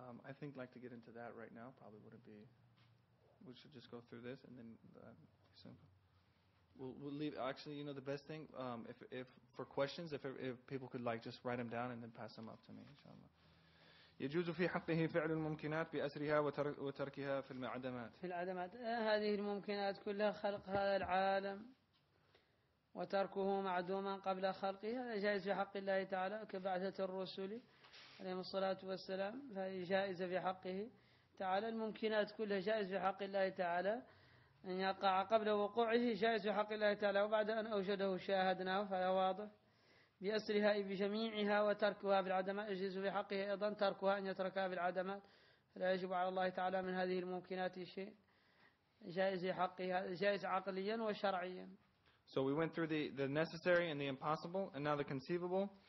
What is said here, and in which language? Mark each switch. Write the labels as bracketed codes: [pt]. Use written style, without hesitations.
[en] I think like to get into that right now probably wouldn't be. We should just go through this and then we'll leave. Actually, you know, the best thing if for questions, if people could like just write them down and then pass them up to me, inshallah. [ar] يجوز في حقه فعل الممكنات بأسرها وتركها في المعدمات. في العدمات هذه الممكنات كلها خلق هذا العالم وتركه معدوما قبل خلقه هذا جائز في حق الله تعالى كبعثة الرسل عليه الصلاة والسلام فهي جائزة في حقه تعالى الممكنات كلها جائز في حق الله تعالى أن يقع قبل وقوعه جائز في حق الله تعالى وبعد أن أوجده شاهدناه فهي واضح بأسرها بجميعها وتركها بالعدمات يجوز في حقه أيضا تركها أن يتركها بالعدمات فلا يجب على الله تعالى من هذه الممكنات شيء جائز في حقها جائز عقليا وشرعيا. [en] So we went through the necessary and the impossible, and now the conceivable.